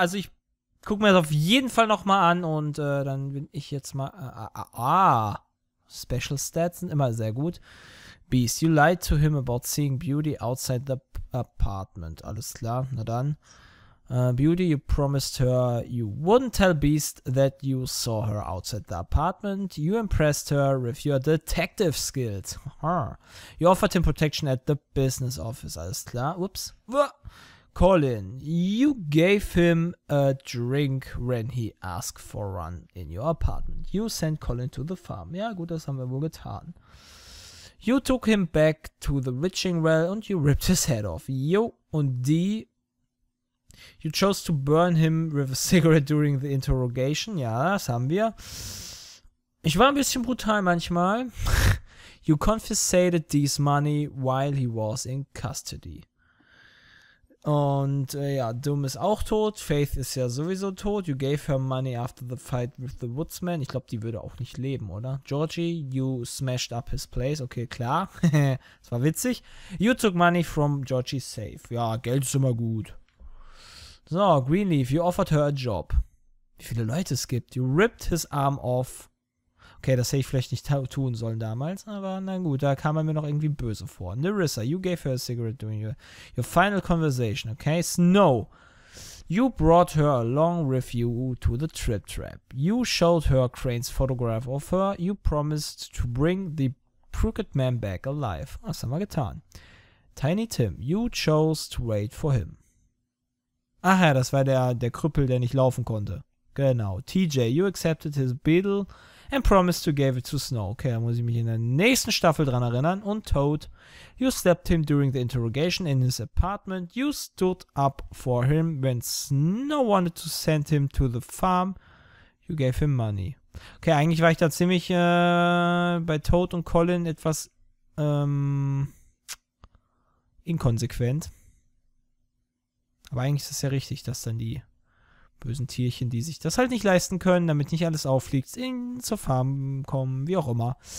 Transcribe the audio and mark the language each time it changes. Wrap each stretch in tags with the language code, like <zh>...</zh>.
<de>Also ich guck mir das auf jeden Fall nochmal an und dann bin ich jetzt mal... Special Stats sind immer sehr gut.</de> <en>Beast, you lied to him about seeing beauty outside the apartment.</en> <de>Alles klar, na dann.</de> <en>Beauty, you promised her you wouldn't tell Beast that you saw her outside the apartment. You impressed her with your detective skills. You offered him protection at the business office.</en> <de>Alles klar,</de> <en>whoops. Colin, you gave him a drink when he asked for one in your apartment. You sent Colin to the farm.</en> <de>Ja gut, das haben wir wohl getan.</de> <en>You took him back to the witching well and you ripped his head off. Yo,</en> <de>und die...</de> <en>You chose to burn him with a cigarette during the interrogation.</en> <de>Ja, das haben wir. Ich war ein bisschen brutal manchmal.</de> <en>You confiscated Dee's money while he was in custody.</en> <de>Und ja, Doom ist auch tot. Faith ist ja sowieso tot.</de> <en>You gave her money after the fight with the woodsman.</en> <de>Ich glaube, die würde auch nicht leben, oder?</de> <en>Georgie, you smashed up his place. Okay,</en> <de>klar. Das war witzig.</de> <en>You took money from Georgie's safe.</en> <de>Ja, Geld ist immer gut.</de> <en>So, Greenleaf, you offered her a job.</en> <de>Wie viele Leute es gibt.</de> <en>You ripped his arm off.</en> <de>Okay, das hätte ich vielleicht nicht tun sollen damals, aber na gut, da kam er mir noch irgendwie böse vor.</de> <en>Nerissa, you gave her a cigarette during your final conversation, okay? Snow, you brought her along with you to the trip trap. You showed her Crane's photograph of her. You promised to bring the crooked man back alive.</en> <de>Das haben wir getan.</de> <en>Tiny Tim, you chose to wait for him.</en> <de>Ach ja, das war der Krüppel, der nicht laufen konnte. Genau.</de> <en>TJ, you accepted his beetle and promised to give it to Snow.</en> <de>Okay, da muss ich mich in der nächsten Staffel dran erinnern.</de> <en>Und Toad, you slapped him during the interrogation in his apartment. You stood up for him when Snow wanted to send him to the farm. You gave him money.</en> <de>Okay, eigentlich war ich da ziemlich bei Toad und Colin etwas inkonsequent. Aber eigentlich ist es ja richtig, dass dann die bösen Tierchen, die sich das halt nicht leisten können, damit nicht alles auffliegt, zur Farm kommen, wie auch immer.</de>